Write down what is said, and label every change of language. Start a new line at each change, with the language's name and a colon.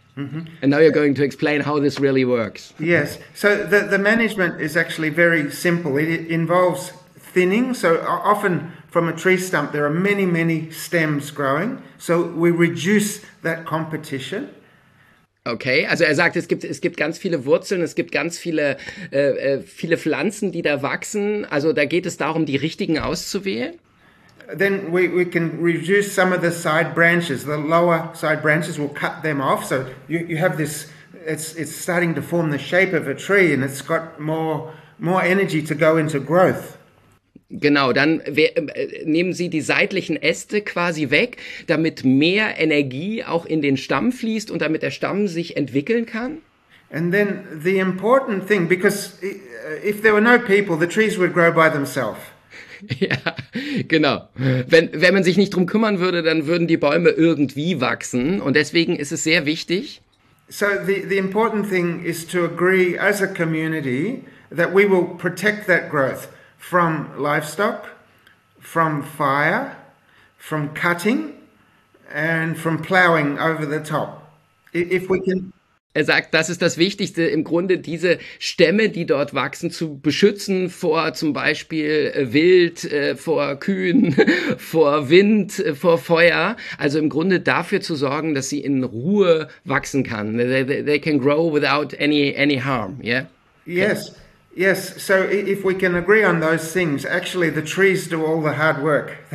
English: Mm-hmm. And now you're going to explain how this really works. Yes, so the management is actually very simple. It involves thinning, so often from a tree stump there are many, many stems growing, so we reduce that competition.
German: Okay, also er sagt, es gibt ganz viele Wurzeln, es gibt ganz viele viele Pflanzen, die da wachsen, also da geht es darum, die richtigen auszuwählen.
English: Then we can reduce some of the side branches, the lower side branches, we'll cut them off. So you have this, it's starting to form the shape of a tree and it's got more energy to go into growth. Genau, dann nehmen Sie die seitlichen Äste quasi weg, damit mehr Energie auch in den Stamm fließt und damit der Stamm sich entwickeln kann. And then the important thing, because if there were no people, the trees would grow by themselves.
German: Ja, genau. Wenn man sich nicht drum kümmern würde, dann würden die Bäume irgendwie wachsen. Und deswegen ist es sehr wichtig.
English: So the important thing is to agree as a community that we will protect that growth from livestock, from fire, from cutting and from plowing over the top. If we can.
German: Er sagt, das ist das Wichtigste, im Grunde diese Stämme, die dort wachsen, zu beschützen vor zum Beispiel Wild, vor Kühen, vor Wind, vor Feuer. Also im Grunde dafür zu sorgen, dass sie in Ruhe wachsen kann.
English: They can grow without any harm, yeah? Yes, yes. So if we can agree on those things, actually the trees do all the hard work.